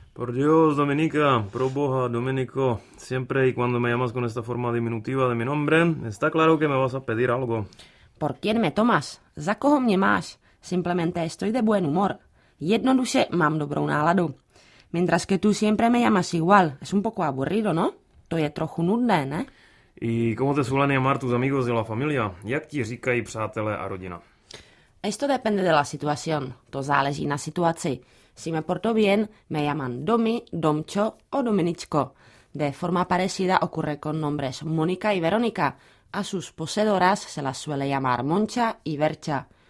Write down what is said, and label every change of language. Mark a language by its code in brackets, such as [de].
[es] Por Dios, Dominika, [cs] pro Boha, Dominiko, [es] siempre y cuando me llamas con esta forma diminutiva de mi nombre, está claro que me vas a pedir algo. ¿Por quién me tomas? [cs] ¿Za koho mě máš? [es] Simplemente estoy de buen humor. [cs] Jednoduše mám dobrou náladu. [es] Mientras que tú siempre me llamas igual, es un poco aburrido, ¿no? [cs] To je trochu nudné, ¿no? [es] ¿Y cómo te suelen llamar tus amigos de la familia? [cs] Jak ti říkají přátelé a rodina? [es] Esto depende de la situación. [cs] To záleží na situaci. [es] Si me porto bien, me llaman Domi, Domčo o Dominičko. De forma parecida ocurre con nombres Mónica y Verónica. A sus poseedoras se las suele llamar Moncha y Vercha.